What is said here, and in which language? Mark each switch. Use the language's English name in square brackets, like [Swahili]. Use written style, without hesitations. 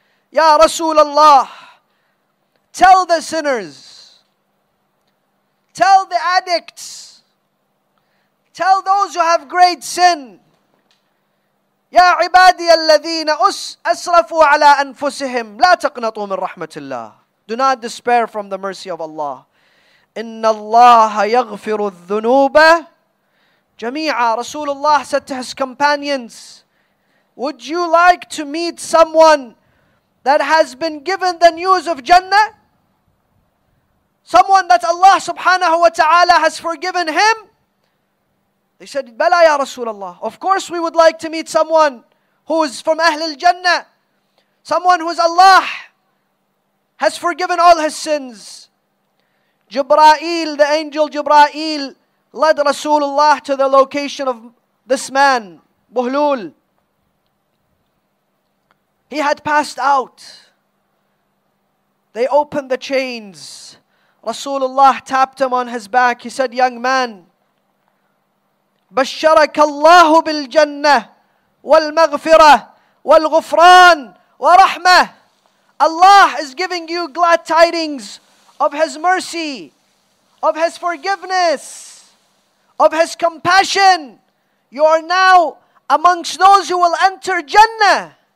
[English] Ya Rasulullah, tell the sinners, tell the addicts, tell those who have great sin, Ya [Arabic] عبادي الذين أسرفوا على أنفسهم لا تقنطوا من رحمة الله. [English] Do not despair from the mercy of Allah. [Arabic] إن الله يغفر الذنوب جميعا. [English] رسول الله said to his companions, would you like to meet someone that has been given the news of Jannah? Someone that Allah subhanahu wa ta'ala has forgiven him? They said, Bala ya Rasulullah. Of course we would like to meet someone who is from Ahlul Jannah. Someone who is Allah has forgiven all his sins. Jibra'il, the angel Jibra'il, led Rasulullah to the location of this man, Buhlul. He had passed out. They opened the chains. Rasulullah tapped him on his back. He said, young man, [Arabic] بشرك الله بالجنة والمغفرة والغفران ورحمة. [English] Allah is giving you glad tidings of His mercy, of His forgiveness, of His compassion. You are now amongst those who will enter Jannah.